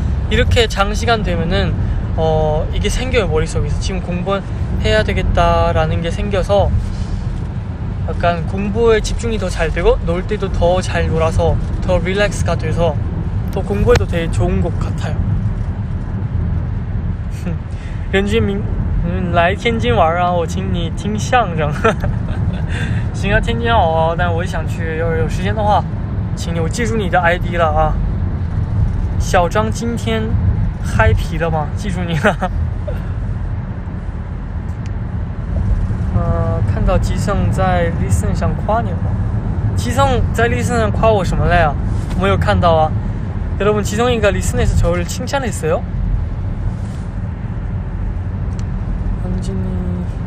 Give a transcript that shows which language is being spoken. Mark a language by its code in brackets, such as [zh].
[ko] 이렇게 장시간 되면은 이게 생겨요. 머릿속에서 지금 공부해야 되겠다 라는 게 생겨서 약간 공부에 집중이 더 잘 되고, 놀 때도 더 잘 놀아서 더 릴렉스가 돼서 더 공부해도 되게 좋은 것 같아요. [zh] 렌주민 来天津玩啊，我请你听相声。行啊，天津哦，但我想去，要是有时间的话，请你，我记住你的ID了啊。小张今天嗨皮了吗？记住你了。看到吉盛在 Listen 上夸你了吗？吉盛在 Listen 上夸我什么了呀？没有看到啊。 [ko] 여러분, 지성이가 리슨에서 저를 칭찬했어요? 현진이...